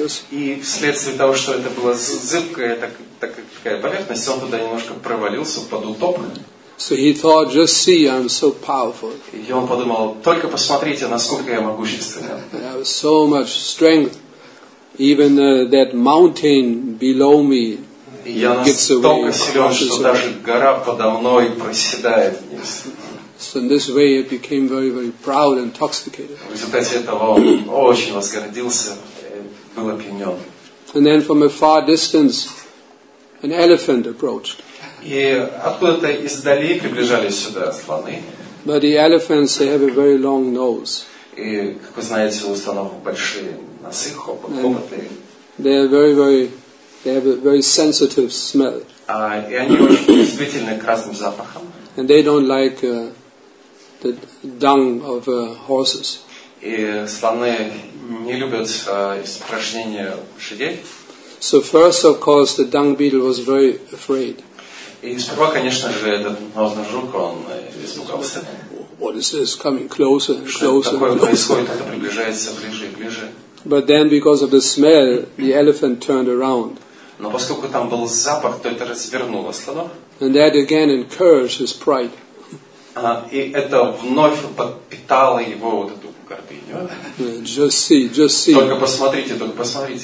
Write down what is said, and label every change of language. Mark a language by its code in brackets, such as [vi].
[ru] И вследствие того, что это была зыбкая такая поверхность, он туда немножко провалился под утоп. [en] So he thought, just see, I'm so powerful. [ru] И он подумал, только посмотрите, насколько я могущественен. [en] I have so much strength, even that mountain below me gives away. [ru] Я настолько силен, что даже гора подо мной проседает вниз. [en] So in this way, it became very, very proud and intoxicated. [ru] В результате этого он очень возгордился, был опьянен. [en] And then from a far distance, an elephant approached. [ru] И откуда-то издали приближались сюда слоны. [en] But the elephants, they have a very long nose. [ru] И, как вы знаете, у слонов большие носы, хоботы. [en] They are very, very, they have a very sensitive smell. [ru] И они очень чувствительны к разным запахам. [en] And they don't like the dung of horses. [ru] И слоны не любят испражнения лошадей. [en] So first, of course, the dung beetle was very afraid. [ru] И сперва, конечно же, этот навозный жук, он испугался. [en] What is this coming closer and closer? [ru] Что такое происходит? Это приближается ближе и ближе. [en] But then, because of the smell, the elephant turned around. [ru] Но поскольку там был запах, то это развернуло слона. [en] And that again encouraged his pride. [ru] И это вновь подпитало его вот эту гордыню. [en] Just see, just see. [ru] Только посмотрите, только посмотрите.